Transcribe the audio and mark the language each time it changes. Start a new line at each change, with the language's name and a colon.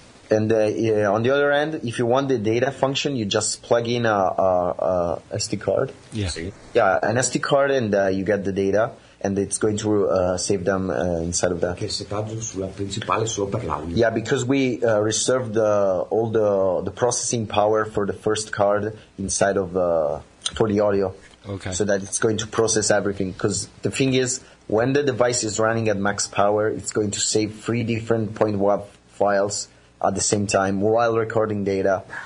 English: And on the other end, if you want the data function, you just plug in a SD card. Yeah. Yeah, an SD card, and you get the data. And it's going to save them inside of that.
Italian: Che settaggio sulla principale solo per l'audio.
English: Yeah, because we reserved all the processing power for the first card inside of for the audio. Okay. So that it's going to process everything. Because the thing is, when the device is running at max power, it's going to save 3 different .wav files at the same time while recording data.